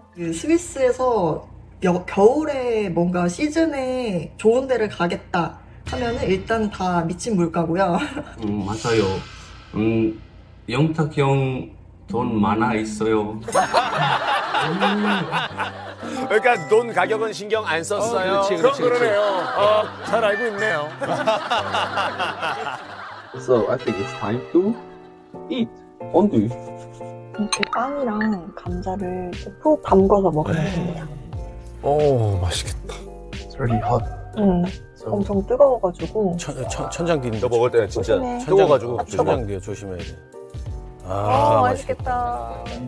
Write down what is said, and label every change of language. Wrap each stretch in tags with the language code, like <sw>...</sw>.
<ko>그 스위스에서 겨울에 뭔가 시즌에 좋은 데를 가겠다 하면은 일단 다 미친 물가고요. 맞아요. 영탁 형 돈 많아 있어요. 그러니까 돈 가격은 신경 안 썼어요. 그렇지, 그렇지, 그럼 그러네요. 잘 알고 있네요.</ko> <en>So I think it's time to eat fondue.</en> <ko>빵이랑 감자를 푹 담궈서 먹으면 돼요. 오, 맛있겠다.</ko> <en>It's really hot.</en> <ko>엄청 뜨거워가지고. 천장 뒤인데. 너 먹을 때 진짜 뜨거워가지고. 천장 뒤에 조심해야 돼. 아, 오, 맛있겠다.</ko>